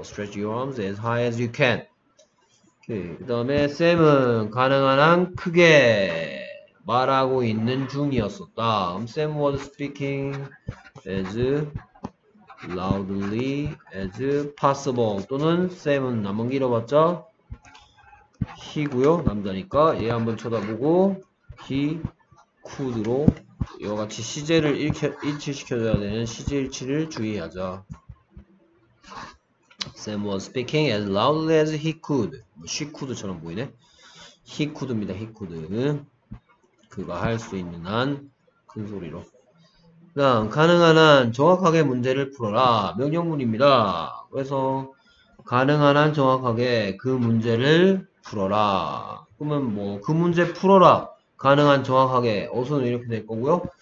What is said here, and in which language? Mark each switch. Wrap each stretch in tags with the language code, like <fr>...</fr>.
<en>Stretch your arms as high as you can.</en> <ko>오케이. 그다음에 샘은 가능한 한 크게 말하고 있는 중이었었다.</ko> <en>Sam was speaking as loudly as possible.</en> <ko>또는 Sam은 남은 길어봤자 he고요. 남자니까 얘 한번 쳐다보고</ko> <en>he could</en> <ko>로 이와 같이 시제를 일치시켜줘야 되는 시제일치를 주의하자.</ko> <en>Sam was speaking as loudly as he could. She could처럼 보이네. He could입니다. He could.</en> <ko>그가 할수 있는 한큰 소리로. 그다음 가능한 한 정확하게 문제를 풀어라. 명령문입니다. 그래서 가능한 한 정확하게 그 문제를 풀어라. 그러면 뭐그 문제 풀어라. 가능한 정확하게 어순은 이렇게 될 거고요.</ko>